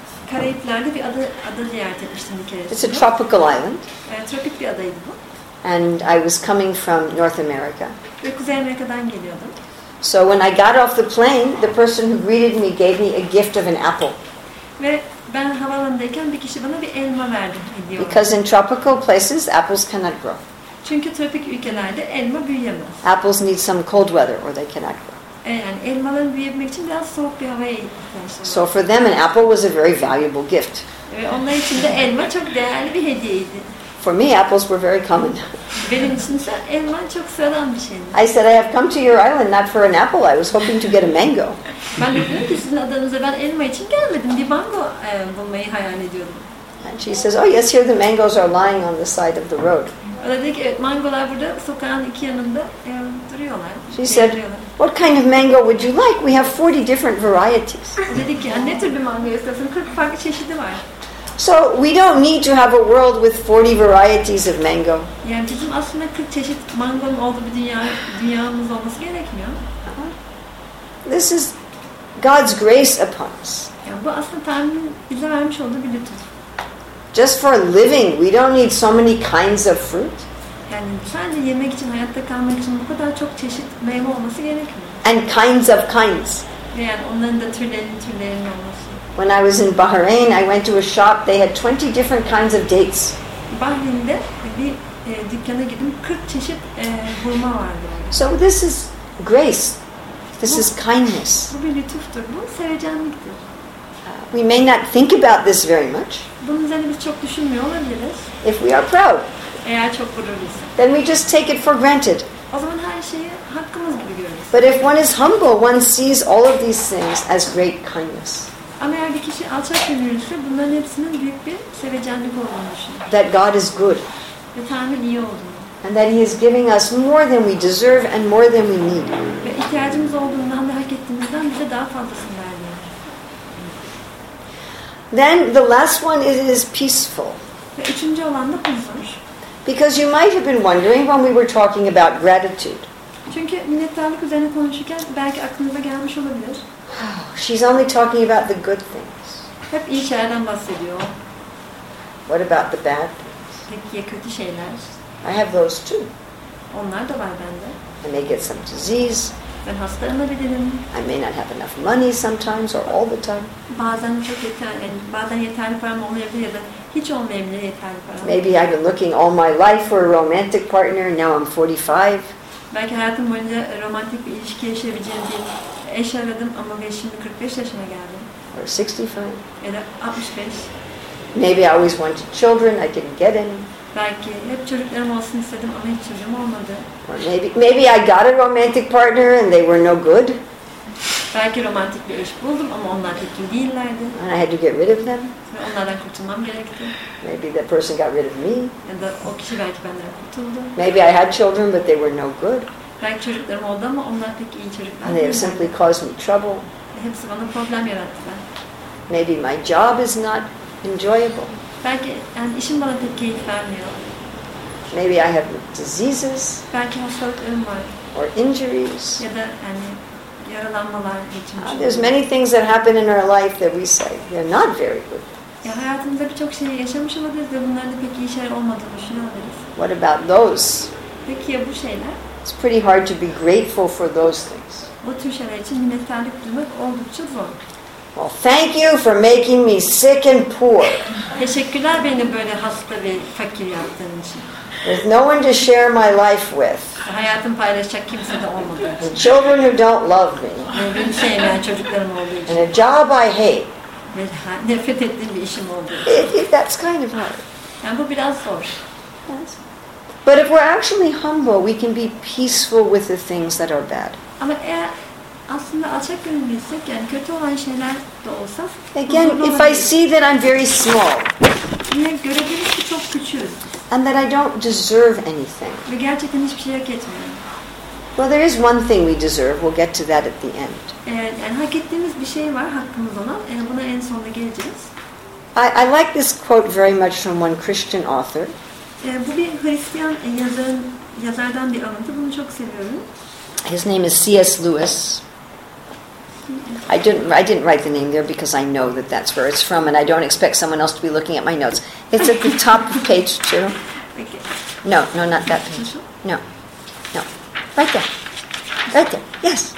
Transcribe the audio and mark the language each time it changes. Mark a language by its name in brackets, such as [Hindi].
[Turkish] Karayiplerde bir ada ziyaret etmiştim bir kere. [English] It's a tropical island. [Turkish] Tropik bir adaydı bu. [English] And I was coming from North America. [Turkish] Ve Kuzey Amerika'dan geliyordum. [English] So when I got off the plane, the person who greeted me gave me a gift of an apple. [Turkish] Ve ben havalandayken bir kişi bana bir elma verdi diyor. [English] Because in tropical places, apples cannot grow. [Turkish] Çünkü tropik ülkelerde elma büyüyemez. [English] Apples need some cold weather or they cannot grow. [Turkish] Yani elmaların büyüyebilmek için biraz soğuk bir havaya ihtiyaçları. [English] So for them, an apple was a very valuable gift. [Turkish] Ve onlar için de elma çok değerli bir hediyeydi. [English] For me, apples were very common. [Turkish] Benim için elma çok sıradan bir şeydi. [English] I said, I have come to your island not for an apple. I was hoping to get a mango. [Turkish] Ben dedim ki sizin adanıza ben elma için gelmedim. Bir mango bulmayı hayal ediyordum. [English] And she says, oh yes, here the mangoes are lying on the side of the road. [Turkish] Ona dedi ki, evet, mangolar burada sokağın iki yanında duruyorlar. [English] She said, what kind of mango would you like? We have 40 different varieties. [Turkish] Dedi ki, ne tür bir mango istiyorsun? 40 farklı çeşidi var. [English] So we don't need to have a world with 40 varieties of mango. [Turkish] Yani bizim aslında 40 çeşit mangonun olduğu bir dünyamız olması gerekmiyor. [English] This is God's grace upon us. [Turkish] Yani bu aslında Tanrı'nın bize vermiş olduğu bir lütuf. [English] Just for living, we don't need so many kinds of fruit. [Turkish] Yani sadece yemek için, hayatta kalmak için bu kadar çok çeşit meyve olması gerekmiyor. [English] And kinds of kinds. [Turkish] Yani onların da türlerinin olması. [English] When I was in Bahrain, I went to a shop. They had 20 different kinds of dates. [Turkish] Bahrain'de bir dükkana gittim. 40 çeşit hurma vardı. [English] So this is grace. This is kindness. [Turkish] Bu bir lütuftur. Bu sevecenliktir. [English] We may not think about this very much. [Turkish] Bunun üzerine biz çok düşünmüyor olabiliriz. [English] If we are proud. [Turkish] Eğer çok gururluyuz. [English] Then we just take it for granted. [Turkish] O zaman her şeyi hakkımız gibi görürüz. [English] But if one is humble, one sees all of these things as great kindness. [Turkish] Ama eğer bir kişi alçak gönüllüyse bunların hepsinin büyük bir sevecenlik olduğunu düşünüyor. [English] That God is good. [Turkish] Ve Tanrı iyi olduğunu. [English] And that He is giving us more than we deserve and more than we need. [Turkish] Ve ihtiyacımız olduğundan da hak ettiğimizden bize daha fazlasını verdi. [English] Then the last one is peaceful. [Turkish] Ve üçüncü olan da huzur. [English] Because you might have been wondering when we were talking about gratitude. [Turkish] Çünkü minnettarlık üzerine konuşurken belki aklınıza gelmiş olabilir. [English] She's only talking about the good things. [Turkish] Hep iyi şeylerden bahsediyor. [English] What about the bad things? [Turkish] Peki ya kötü şeyler? [English] I have those too. [Turkish] Onlar da var bende. [English] I may get some disease. [Turkish] Ben hasta olabilirim. [English] I may not have enough money sometimes or all the time. [Turkish] Bazen çok bazen yeterli param olmayabilir ya da hiç olmayabilir yeterli param. [English] Maybe I've been looking all my life for a romantic partner and now I'm 45. [Turkish] Belki hayatım boyunca romantik bir ilişki yaşayabileceğim bir eş aradım ama ben şimdi 45 yaşına geldim. [English] Or 65. [Turkish] Ya da 65. [English] Maybe I always wanted children, I didn't get any. [Turkish] Belki hep çocuklarım olsun istedim ama hiç çocuğum olmadı. [English] Or maybe I got a romantic partner and they were no good. [Turkish] Belki romantik bir eş buldum ama onlar pek iyi değillerdi. [English] And I had to get rid of them. [Turkish] Ve onlardan kurtulmam gerekti. [English] Maybe that person got rid of me. [Turkish] Ya da o kişi belki benden kurtuldu. [English] Maybe I had children but they were no good. [Turkish] Belki çocuklarım oldu ama onlar pek iyi çocuklar. [English] And they have simply caused me trouble. [Turkish] Hepsi bana problem yarattılar. [English] Maybe my job is not enjoyable. [Turkish] Belki yani işim bana pek keyif vermiyor. [English] Maybe I have diseases. [Turkish] Belki hastalıklarım var. [English] Or injuries. [Turkish] Ya da yani yaralanmalar geçmiş. [English] There's many things that happen in our life that we say they're not very good. [Turkish] Ya hayatımızda birçok şey yaşamış olabiliriz ve bunların da pek iyi şeyler olmadığını düşünebiliriz. [English] What about those? [Turkish] Peki ya bu şeyler? [English] It's pretty hard to be grateful for those things. [Turkish] Bu tür şeyler için minnettarlık duymak oldukça zor. [English] Well, thank you for making me sick and poor. [Turkish] Teşekkürler beni böyle hasta ve fakir yaptığın için. [English] There's no one to share my life with. [Turkish] Hayatımı paylaşacak kimse de olmadı. [English] The children who don't love me. [Turkish] Beni sevmeyen çocuklarım olduğu için. [English] And a job I hate. [Turkish] Nefret ettiğim bir işim olduğu için. [English] That's kind of hard. [Turkish] Yani bu biraz zor. [English] But if we're actually humble, we can be peaceful with the things that are bad. [Turkish] Ama eğer aslında alçak gönüllüysek, yani kötü olan şeyler de olsa. [English] Again, if I see that I'm very small. [Turkish] Yine görebiliriz ki çok küçüğüz. [English] And that I don't deserve anything. [Turkish] Ve gerçekten hiçbir şey hak etmiyorum. [English] Well, there is one thing we deserve. We'll get to that at the end. [Turkish] Yani hak ettiğimiz bir şey var hakkımız olan. Buna en sonunda geleceğiz. [English] I like this quote very much from one Christian author. [Turkish] Bu bir Hristiyan yazardan bir alıntı. Bunu çok seviyorum. [English] His name is C.S. Lewis. I didn't write the name there because I know that that's where it's from, and I don't expect someone else to be looking at my notes. It's at the top of page 2. Okay. No, not that page. No. Right there. Yes.